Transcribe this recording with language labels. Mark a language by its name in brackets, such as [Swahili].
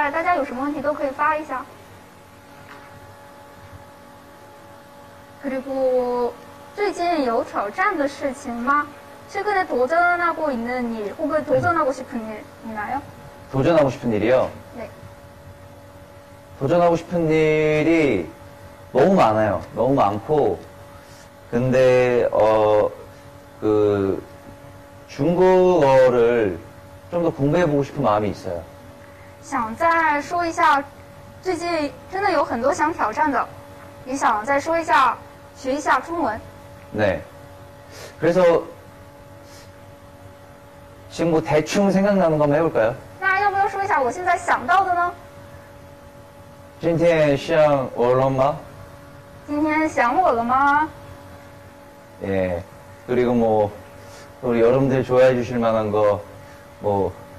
[Chinese] 简单的唱了一小段。那在大家有什么问题都可以发一下。 [Korean] 그리고 [Chinese] 最近有挑战的事情吗？ [Korean] 최근에 도전하고 있는 일 혹은 도전하고 싶은 일 있나요? 도전하고 싶은 일이요? 네. 도전하고 싶은 일이 너무 많아요. 너무 많고. 근데 그 중국어를 좀 더 공부해 보고 싶은 마음이 있어요. [Chinese] 想再说一下，最近真的有很多想挑战的，也想再说一下，学一下中文。 [Korean] 네. 그래서 지금 뭐 대충 생각나는 거 한번 해볼까요? [Chinese] 那要不要说一下我现在想到的呢？今天想我了吗？今天想我了吗？ [Korean] 예. 그리고 뭐 우리 여러분들 좋아해 주실 만한 거 뭐